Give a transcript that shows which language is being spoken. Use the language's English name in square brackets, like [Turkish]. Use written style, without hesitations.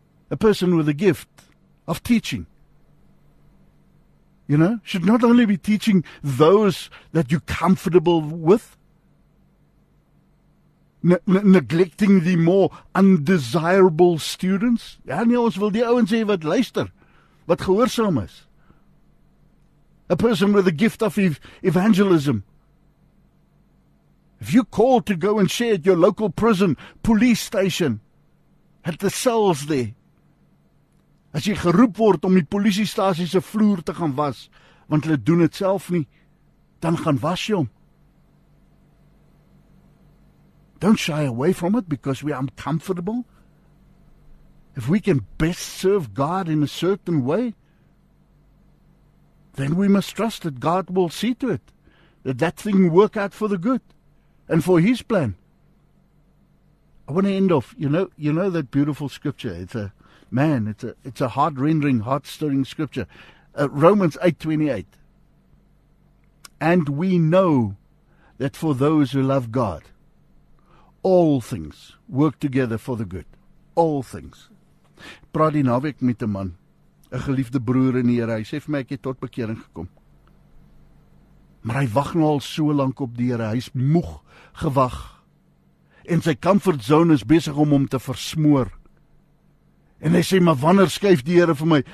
[English] A person with a gift of teaching, you know, should not only be teaching those that you're comfortable with, neglecting the more undesirable students. [Afrikaans] Ja, nie, ons wil die ouens hê wat luister, wat gehoorsaam is. [English] A person with the gift of evangelism. If you call to go and share at your local prison, police station, at the cells there, [Afrikaans] as jy geroep word om die polisiestasie se vloer te gaan was, want hulle doen het self nie, dan gaan was jy hom. [English] Don't shy away from it because we are uncomfortable. If we can best serve God in a certain way, then we must trust that God will see to it, that that thing will work out for the good and for His plan. I want to end off, you know that beautiful scripture. It's a heart-rendering, heart-stirring scripture. Romans 8:28. And we know that for those who love God, all things work together for the good. All things. [Afrikaans] Praat die naweek met 'n man, 'n geliefde broer in die Here. Hy sê vir my, ek het tot bekering gekom. Maar hy wag nou al so lank op die Here. Hy's moeg gewag. En sy comfort zone is besig om hom te versmoor. En hy sê, maar wanneer skuif die Here vir my?